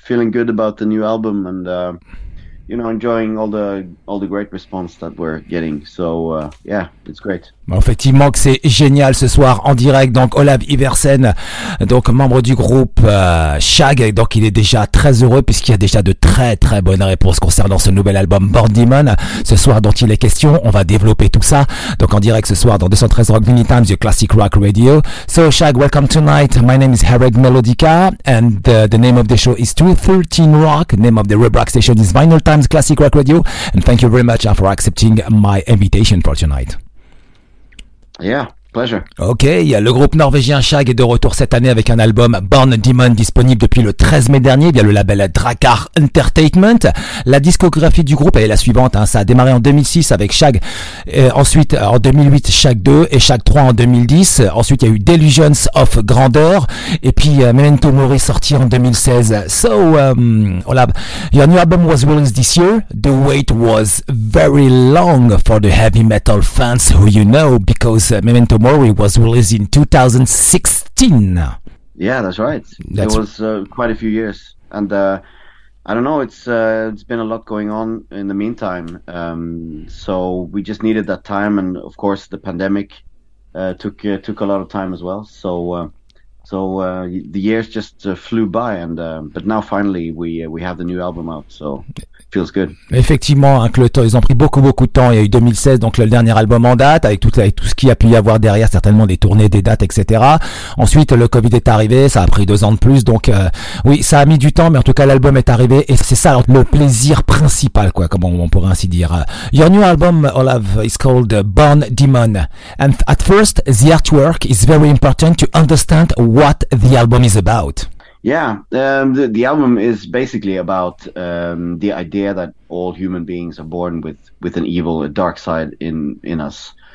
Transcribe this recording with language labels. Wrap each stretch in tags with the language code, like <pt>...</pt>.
<en>Feeling good about the new album and you know, enjoying all the great response that we're getting. So yeah, it's great.</en> <fr>Bon, effectivement que c'est génial ce soir en direct. Donc Olav Iversen, donc membre du groupe Shag, donc il est déjà très heureux puisqu'il y a déjà de très très bonnes réponses concernant ce nouvel album Born Demon ce soir dont il est question. On va développer tout ça donc en direct ce soir dans 213 Rock Mini Times, the Classic Rock Radio.</fr> <en>So Shag, welcome tonight. My name is Herreg Melodica and the name of the show is 213 Rock. Name of the web rock station is Vinyl Times Classic Rock Radio, and thank you very much for accepting my invitation for tonight. Yeah, pleasure.</en> <fr>Ok, le groupe norvégien Shag est de retour cette année avec un album Born Demon disponible depuis le 13 mai dernier via le label Drakkar Entertainment. La discographie du groupe est la suivante, hein. Ça a démarré en 2006 avec Shag, et ensuite en 2008 Shag 2 et Shag 3 en 2010. Ensuite il y a eu Delusions of Grandeur et puis Memento Mori sorti en 2016.</fr> <en>So, Olav, your new album was released this year. The wait was very long for the heavy metal fans who you know because Memento Mori was released in 2016. Yeah, that's right. It was quite a few years, and I don't know. It's been a lot going on in the meantime. So we just needed that time, and of course the pandemic took a lot of time as well. So So the years just flew by, and but now finally we have the new album out, so feels good.</en> <fr>Effectivement, hein, que le temps, ils ont pris beaucoup de temps. Il y a eu 2016, donc le dernier album en date, avec tout ce qu'il y a pu y avoir derrière, certainement des tournées, des dates, etc. Ensuite, le Covid est arrivé, ça a pris 2 ans de plus, donc oui, ça a mis du temps, mais en tout cas l'album est arrivé et c'est ça le plaisir principal, quoi, comme on pourrait ainsi dire.</fr> <en>Your new album, Olav, is called Born Demon, and at first the artwork is very important to understand what the album is about. Yeah, the album is basically about the idea that all human beings are born with an evil, a dark side in us.</en>